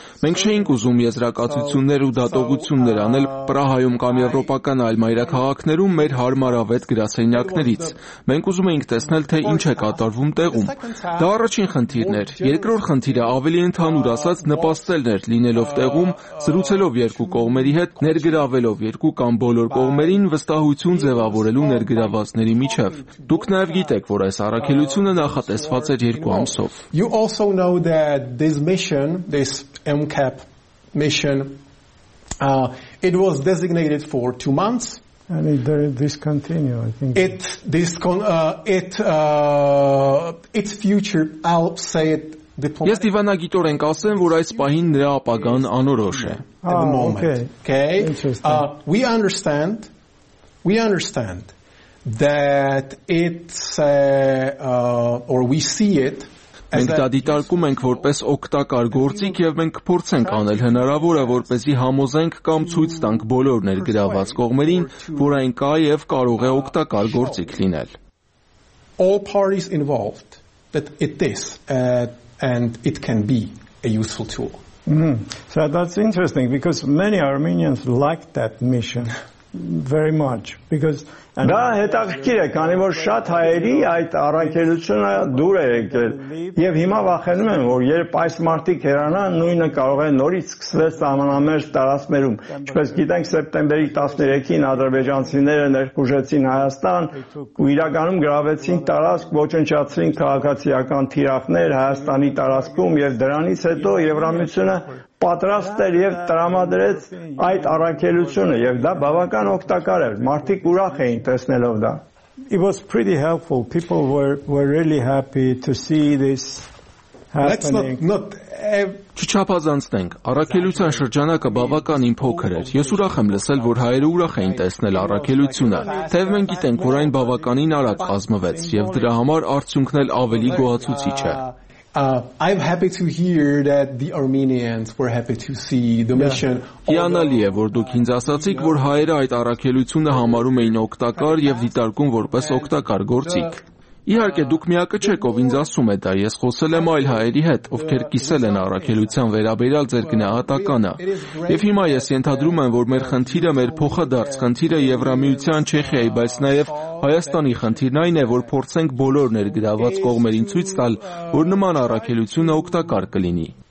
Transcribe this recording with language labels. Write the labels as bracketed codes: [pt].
[hy] Մենք չէինք ուզում եզրակացություններ ու դատողություններ անել Պրահայում կամ Եվրոպական այլ մայրաքաղաքներում մեր հարմարավետ գրասենյակներից։ Մենք ուզում էինք տեսնել, թե ինչ է կատարվում տեղում։ Դա առաջին խնդիրն էր։ Երկրորդ խնդիրը ավելի ընդհանուր ասած նպաստելն էր, լինելով տեղում, զրուցելով երկու կողմերի հետ, ներգրավելով երկու կամ բոլոր կողմերին վստահություն ձևավորելու ներգրավածների միջև։ Դուք նաև գիտեք, որ այս առաքելությունը նախատեսված էր երկու ամսով։ [en] You also know that this mission, this MCAP mission, it was designated for 2 months and it discontinued, I think. Its future, I'll say it diplomatically. [hy] Ես դիվանագիտորեն կասեմ, որ այս պահին նրա ապագան անորոշ է. [en] Okay. We understand that it's or we see it. [hy] Մենք դա դիտարկում ենք որպես օգտակար գործիք և մենք փորձենք անել հնարավորը, որպեսզի համոզենք կամ ցույց տանք բոլոր ներգրաված կողմերին, որ այն կա և կարող է օգտակար գործիք լինել։ [en] All parties involved that it is and it can be a useful tool. So that's interesting because many Armenians like that mission very much because [hy] Դա հետաքրքիր է, քանի որ շատ հայերի այդ առաքելությունը դուր է եկել, և հիմա վախենում են, որ երբ այս մարտիկ հերանան, նույնը կարող է նորից սկսվել սահմանամերձ տարածմերում։ Ինչպես գիտենք, սեպտեմբերի 13-ին ադրբեջանցիները ներխուժեցին Հայաստան ու իրականում գրավեցին տարածք, ոչնչացրին քաղաքացիական թիրախներ Հայաստանի տարածքում, և դրանից հետո Եվրամիությունը պատրաստ էր եւ տրամադրեց այդ առաքելությունը եւ դա բավական օգտակար էր մարդիկ ուրախ էին տեսնելով դա [en] It was pretty helpful. People were really happy to see this happening. [hy] Չչափազանցնենք, առաքելության շրջանակը բավականին փոքր էր։ Ես ուրախ եմ լսել, որ հայերը ուրախ էին տեսնել առաքելությունը, թեև մենք գիտենք, որ այն բավականին արագ կազմվեց, և դրա համար արդյունքն էլ ավելի գոհացուցիչ է։ [en] I'm happy to hear that the Armenians were happy to see the mission. [hy] Հիանալի է, որ դուք ինձ ասացիք, որ հայերը այդ առաքելությունը համարում էին օգտակար և դիտարկում որպես օգտակար գործիք։ Իհարկե դուք միակը չեք, ով ինձ ասում է դա, ես խոսել եմ այլ հայերի հետ, ովքեր կիսել են առաքելության վերաբերյալ ձեր գնահատականը։ Եվ հիմա ես ենթադրում եմ, որ մեր խնդիրը մեր փոխադարձ խնդիրը Եվրամիության Չեխիայի, բայց նաև Հայաստանի խնդիրն այն է, որ փորձենք բոլոր ներգրաված կողմերին ցույց տալ, որ նման առաքելությունը օգտակար կլինի։